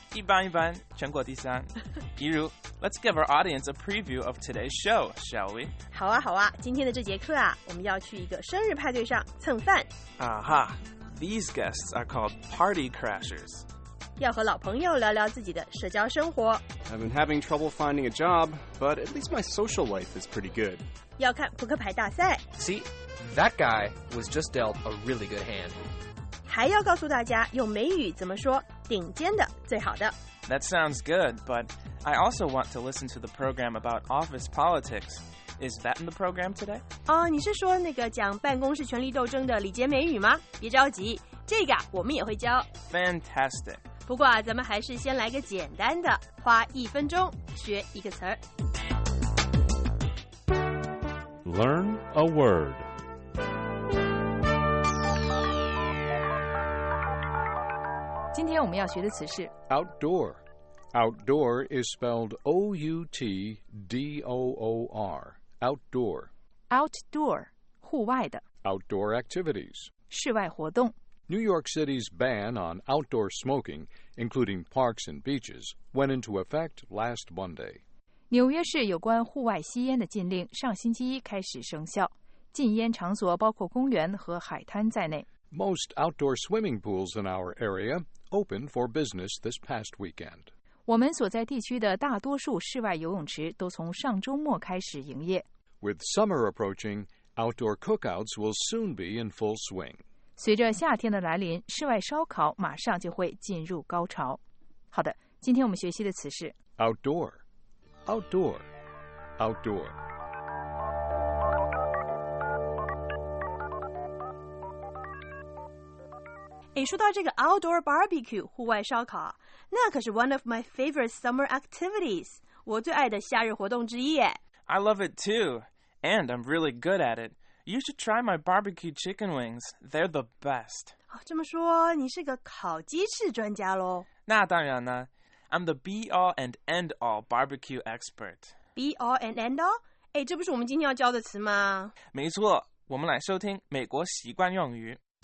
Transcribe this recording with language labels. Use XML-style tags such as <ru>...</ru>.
<zh>一般一般，全国第三。比如，</zh> <en>Let's give our audience a preview of today's show, shall we?</en> <zh>好啊好啊，今天的这节课啊，我们要去一个生日派对上蹭饭。</zh> <en>啊哈，These guests are called party crashers.</en> <zh>要和老朋友聊聊自己的社交生活。</zh> <en>I've been having trouble finding a job, but at least my social life is pretty good.</en> <zh>要看扑克牌大赛。</zh> <en>See, that guy was just dealt a really good hand.</en> <zh>还要告诉大家用美语怎么说顶尖的、最好的。</zh> <en>That sounds good, but I also want to listen to the program about office politics. Is that in the program today?</en> <zh>哦，你是说那个讲办公室权力斗争的礼节美语吗？别着急，这个我们也会教。</zh> <en>Fantastic.</en> <zh>不过啊，咱们还是先来个简单的，花一分钟学一个词儿。</zh> <en>Learn a word. Outdoor. Outdoor is spelled O-U-T-D-O-O-R. Outdoor.</en> <zh>Outdoor, 户外的。</zh> <en>Outdoor activities.</en> <zh>室外活动。</zh> <en>New York City's ban on outdoor smoking, including parks and beaches, went into effect last Monday.</en> <zh>纽约市有关户外吸烟的禁令上星期一开始生效。禁烟场所包括公园和海滩在内。</zh> <en>Most outdoor swimming pools in our area opened for business this past weekend.</en> <zh>我们所在地区的大多数室外游泳池都从上周末开始营业。</zh> <en>With summer approaching, outdoor cookouts will soon be in full swing.</en> <zh>随着夏天的来临，室外烧烤马上就会进入高潮。好的，今天我们学习的词是</zh> <en>outdoor, outdoor, outdoor.</en> <zh>哎，说到这个 outdoor barbecue 户外烧烤，那可是</zh> <en>one of my favorite summer activities，</en> <zh>我最爱的夏日活动之一。</zh> <en>I love it too, and I'm really good at it. You should try my barbecue chicken wings. They're the best.</en> <zh>这么说，你是个烤鸡翅专家咯。那当然呢。</zh> <en>I'm the be-all and end-all barbecue expert. Be-all and end-all?</en> <zh>哎，这不是我们今天要教的词吗？没错，我们来收听美国习惯用语。</zh>